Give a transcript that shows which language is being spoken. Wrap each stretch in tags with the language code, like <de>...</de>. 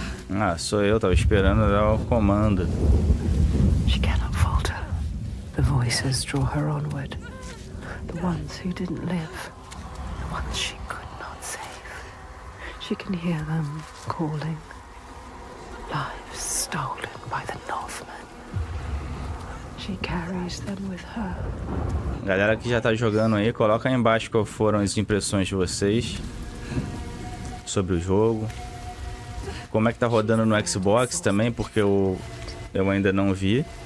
<pt>Ah, sou eu, tava esperando dar o comando.</pt> <en>She cannot falter. The voices draw her onward. The ones who didn't live. The ones she could not save. She can hear them calling. Lives stolen by the Northmen. She carries them with her.</en> <pt>Galera que já tá jogando aí, coloca aí embaixo qual foram as impressões de vocês sobre o jogo. Como é que tá rodando no Xbox também, porque eu ainda não vi.</pt>